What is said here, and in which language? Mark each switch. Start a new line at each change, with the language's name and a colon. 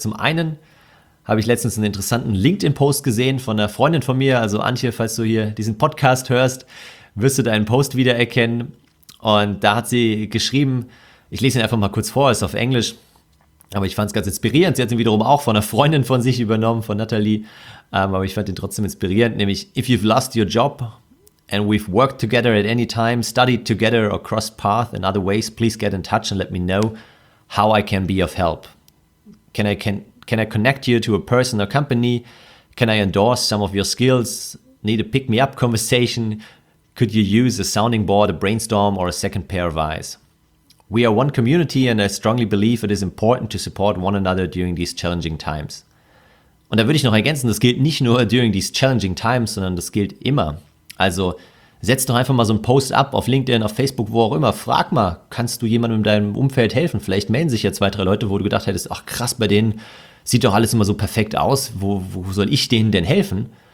German: Zum einen habe ich letztens einen interessanten LinkedIn-Post gesehen von einer Freundin von mir. Also Antje, falls du hier diesen Podcast hörst, wirst du deinen Post wiedererkennen. Und da hat sie geschrieben, ich lese ihn einfach mal kurz vor, ist auf Englisch, aber ich fand es ganz inspirierend. Sie hat ihn wiederum auch von einer Freundin von sich übernommen, von Natalie. Aber ich fand ihn trotzdem inspirierend, nämlich
English: if you've lost your job and we've worked together at any time, studied together or crossed paths in other ways, please get in touch and let me know how I can be of help. Can I connect you to a person or company? Can I endorse some of your skills? Need a pick-me-up conversation? Could you use a sounding board, a brainstorm, or a second pair of eyes? We are one community and I strongly believe it is important to support one another during these challenging times.
German: Und da würde ich noch ergänzen, das gilt nicht nur
English: during these challenging times,
German: sondern das gilt immer. Also setz doch einfach mal so einen Post ab auf LinkedIn, auf Facebook, wo auch immer. Frag mal, kannst du jemandem in deinem Umfeld helfen? Vielleicht melden sich ja 2, 3 Leute, wo du gedacht hättest, ach krass, bei denen sieht doch alles immer so perfekt aus, wo soll ich denen denn helfen?